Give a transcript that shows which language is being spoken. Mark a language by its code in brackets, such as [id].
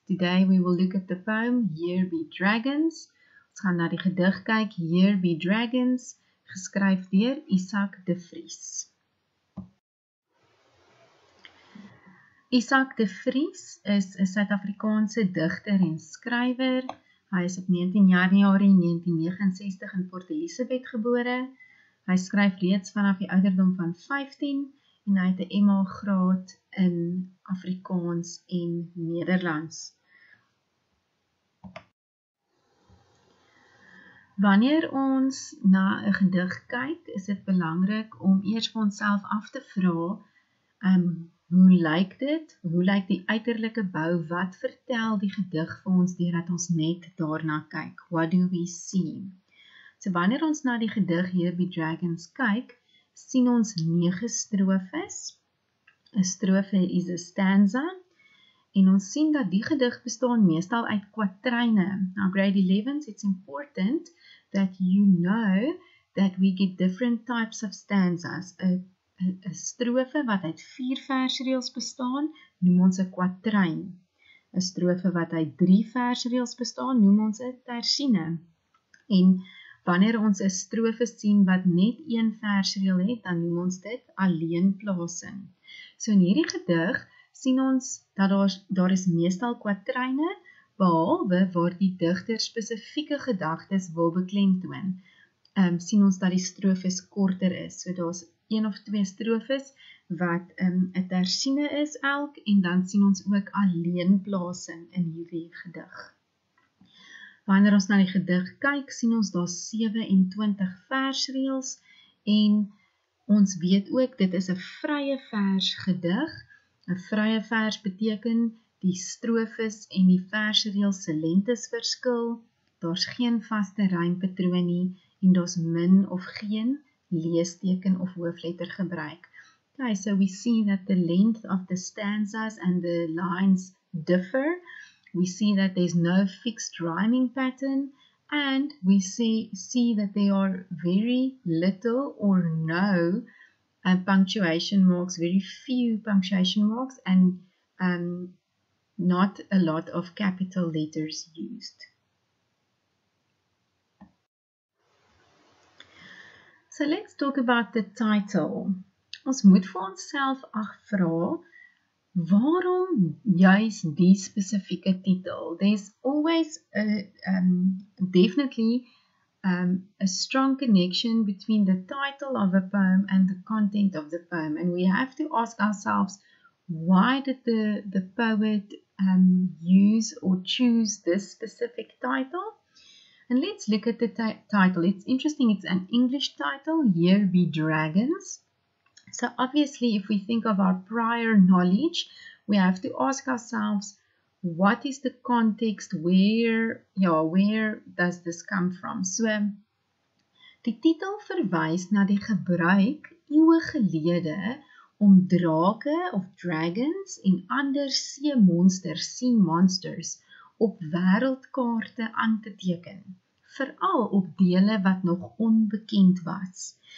[en] Today we will look at the poem Here Be Dragons. [af] Ons gaan na die gedig kyk Here Be Dragons, geskryf deur Izak de Vries. Izak de Vries is 'n Suid-Afrikaanse digter en skrywer. Hy is op 19 Januarie 1969 in Port Elizabeth gebore. Hy skryf reeds vanaf die ouderdom van 15. En hy het 'n MA graad in Afrikaans en Nederlands. Wanneer ons na 'n gedig kyk, is dit belangrik om eers vir onsself af te vra, hoe lyk dit? Hoe lyk die uiterlike bou? Wat vertel die gedig vir ons deurdat ons net daarna kyk? [en] What do we see? [af] So wanneer ons na die gedig Here Be Dragons kyk, sien ons 9 strofes. 'n Strofe is 'n stanza en ons sien dat die gedig bestaan meestal uit kwatryne. [en] Now grade 11s, it's important that you know that we get different types of stanzas. [af] 'n Strofe wat uit 4 versreels bestaan, noem ons 'n kwatryn. 'n Strofe wat uit 3 versreels bestaan, noem ons 'n tersiene. En wanneer ons 'n strofe sien wat net een versreel het, dan noem ons dit alleenplasing. So in hierdie gedig sien ons dat daar is meestal kwatryne, behalwe waar die digter spesifieke gedagtes wil beklemtoon. Sien ons dat die strofes korter is. So daar's een of twee strofes wat 'n tersiene is elk en dan sien ons ook alleenplasing in hierdie gedig. Wanneer ons na die gedig kyk, sien ons daar 27 versreels en ons weet ook dit is 'n vrye vers gedig. 'n Vrye vers beteken die strofes en die versreels se lengtes verskil. Daar's geen vaste rympatroon nie en daar's min of geen leesteken of hoofletter gebruik. [en] Okay, so we see that the length of the stanzas and the lines differ. We see that there's no fixed rhyming pattern and we see that there are very little or no punctuation marks, very few punctuation marks and not a lot of capital letters used. So let's talk about the title. [af] Ons moet vir onsself afvra, waarom juist die spesifieke titel? [en] There's always a strong connection between the title of a poem and the content of the poem. And we have to ask ourselves, why did the poet use or choose this specific title? And let's look at the title. It's interesting, it's an English title, Here Be Dragons. So obviously, if we think of our prior knowledge, we have to ask ourselves, what is the context, where does this come from? [af] So, die titel verwys na die gebruik eeue gelede om drake of dragons en ander seemonsters, [en] sea monsters, [af] op wêreldkaarte aan te teken. Veral op dele wat nog onbekend was.